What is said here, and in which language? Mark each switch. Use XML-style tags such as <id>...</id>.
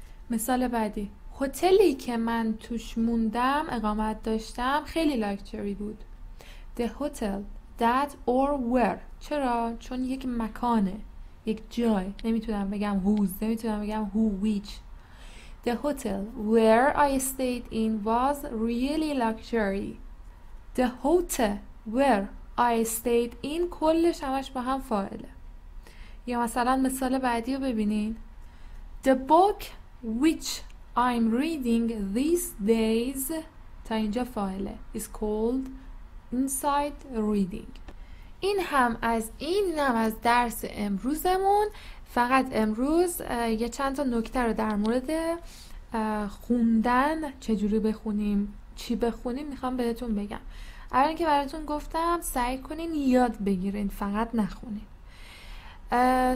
<fa>مثال بعدی هتلی که من توش موندم اقامت داشتم خیلی لاکچری بود.</fa> <en>The hotel that or where.</en> <fa>چرا؟ چون یک مکانه، یک جای. نمیتونم بگم هوز، نمیتونم بگم هو ویچ.</fa> <en>The hotel where I stayed in was really luxury. The hotel where I stayed in</en> <fa>کلش همش با هم فاعله. یا مثلا مثال بعدی رو ببینین.</fa> <en>The book which I'm reading these days،</en> <fa>تا اینجا فاعله،</fa> <en>is called Inside Reading.</en> <fa>این هم از این، هم از درس امروزمون. فقط امروز یه چند تا نکته رو در مورد خوندن چجوری بخونیم، چی بخونیم، میخوام بهتون بگم. اول اینکه براتون گفتم سعی کنین یاد بگیرین، فقط نخونین.</fa>